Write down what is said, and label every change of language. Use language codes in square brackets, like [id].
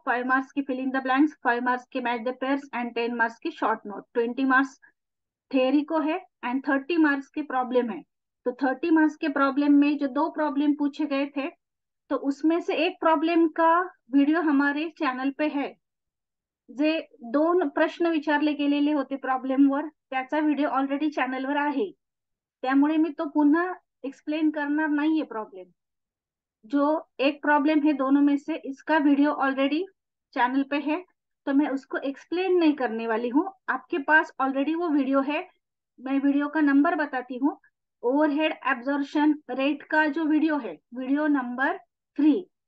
[hi] 5 marks की fill in the blanks, 5 marks के match the pairs and 10 marks की short note. 20 marks theory को है एंड 30 मार्क्स के प्रॉब्लम है. तो 30 मार्क्स के प्रॉब्लम में जो दो प्रॉब्लम पूछे गए थे, तो उसमें से एक प्रॉब्लम का वीडियो हमारे चैनल पे है. [mr] जे दोन प्रश्न विचारले गेलेले होते प्रॉब्लम वर, त्याचा वीडियो ऑलरेडी चैनल वर आहे, त्यामुळे मी तो पुन्हा एक्सप्लेन करणार नाही है. [hi] प्रॉब्लम जो एक प्रॉब्लम है दोनों में से, इसका वीडियो ऑलरेडी चैनल पे है, तो मैं उसको एक्सप्लेन नहीं करने वाली हूँ. आपके पास ऑलरेडी वो वीडियो है. मैं वीडियो का नंबर बताती हूँ, ओवरहेड एब्जॉर्प्शन रेट का जो वीडियो है, वीडियो नंबर 3.